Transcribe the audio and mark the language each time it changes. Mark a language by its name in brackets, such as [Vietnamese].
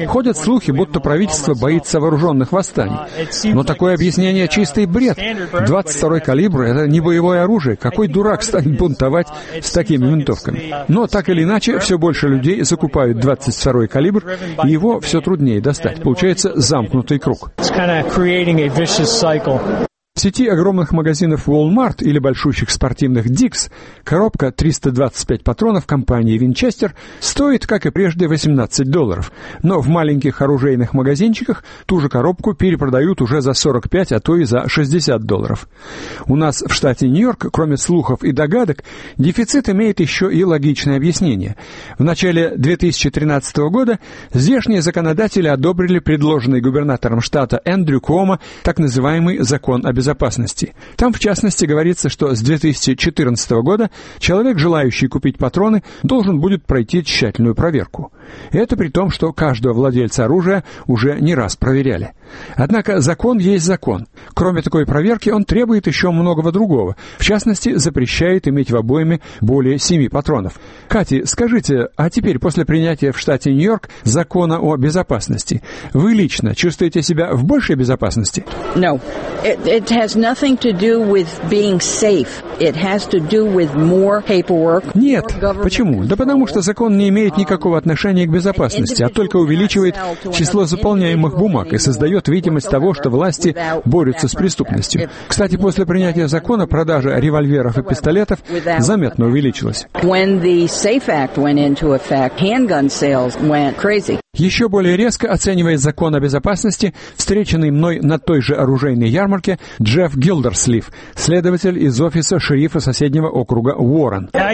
[Russian] Ходят слухи, будто правительство боится вооруженных восстаний. Но такое объяснение чистый бред. 22-й калибр — это не боевое оружие. Какой дурак станет бунтовать с такими винтовками? Но так или иначе, все больше людей закупают 22-й калибр, и его все труднее достать. Получается замкнутый круг. [English] Creating a vicious cycle. [Russian] В сети огромных магазинов Walmart или большущих спортивных Dick's коробка 325 патронов компании Winchester стоит, как и прежде, $18. Но в маленьких оружейных магазинчиках ту же коробку перепродают уже за 45, а то и за $60. У нас в штате Нью-Йорк, кроме слухов и догадок, дефицит имеет еще и логичное объяснение. В начале 2013 года здешние законодатели одобрили предложенный губернатором штата Эндрю Куомо так называемый закон о безопасности. Там, в частности, говорится, что с 2014 года человек, желающий купить патроны, должен будет пройти тщательную проверку. Это при том, что каждого владельца оружия уже не раз проверяли. Однако закон есть закон. Кроме такой проверки, он требует еще многого другого. В частности, запрещает иметь в обойме более 7 патронов. Кати, скажите, а теперь после принятия в штате Нью-Йорк закона о безопасности, вы лично чувствуете себя в большей безопасности? [English] No. It has nothing to do with being safe. It has to do with more paperwork. [Russian] Нет. Почему? Да потому что закон не имеет никакого отношения к безопасности, а только увеличивает число заполняемых бумаг и создает видимость того, что власти борются с преступностью. Кстати, после принятия закона продажа револьверов и пистолетов заметно увеличилась. [English] When the SAFE Act went into effect, handgun sales went crazy. [Russian] Еще более резко оценивает закон о безопасности, встреченный мной на той же оружейной ярмарке, Джефф Гилдерслив, следователь из офиса шерифа соседнего округа Уоррен.